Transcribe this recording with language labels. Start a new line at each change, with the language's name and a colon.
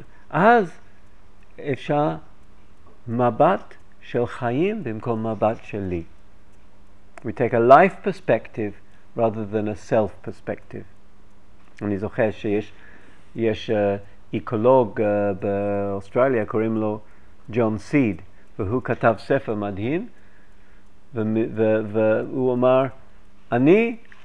Hebrew: אז אפשר מבט של חיים במקום מבט שלי.
English: We take a life perspective rather than a self perspective.
Hebrew: אני זוכר שיש אקולוג באוסטרליה, קוראים לו ג'ון סיד, והוא כתב ספר מדהים, והוא אמר, אני...